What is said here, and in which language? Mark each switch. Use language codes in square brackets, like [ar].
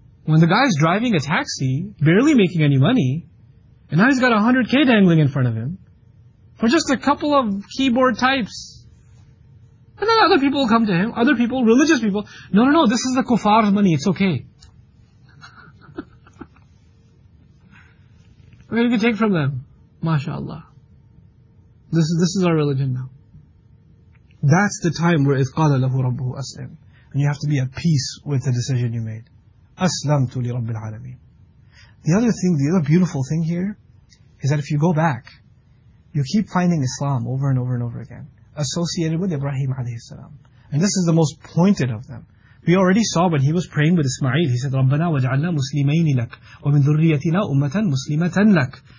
[en] when the guy's driving a taxi, barely making any money, and now he's got 100K dangling in front of him, for just a couple of keyboard types. And then other people will come to him, other people, religious people. No, no, no, this is the kuffar's money, it's okay. Maybe you can take from them. MashaAllah. This is our religion now. That's the time where [ar] إِذْ قَالَ لَهُ رَبُّهُ أَسْلِمْ. [en] And you have to be at peace with the decision you made. [ar] أَسْلَمْتُ لِرَبِّ الْعَالَمِينَ. [en] The other thing, the other beautiful thing here, is that if you go back, you keep finding Islam over and over and over again, associated with Ibrahim alayhi salam. And this is the most pointed of them. We already saw when he was praying with Ismail, he said, [ar] رَبَّنَا وَجْعَلْنَا مُسْلِمَيْنِ لَكْ وَمِنْ ذُرِّيَّتِنَا أُمَّةً مُسْلِمَةً لَكْ.